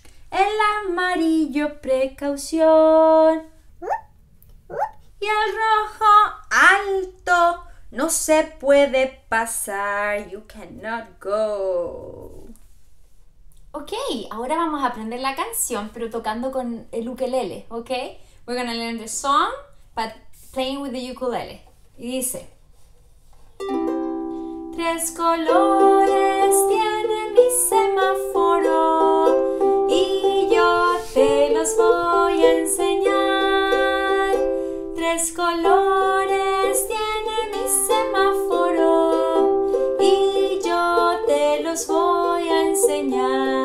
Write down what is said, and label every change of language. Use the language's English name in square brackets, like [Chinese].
[Spanish] El amarillo precaución. Y el rojo alto no se puede pasar. [English] You cannot go. [Spanish] Ok, ahora vamos a aprender la canción, pero tocando con el ukulele, ok? [English] We're gonna learn the song, but playing with the ukulele. [Spanish] Y dice... Tres colores tiene mi semáforo y yo te los voy a enseñar. Tres colores tiene mi semáforo y yo te los voy a enseñar.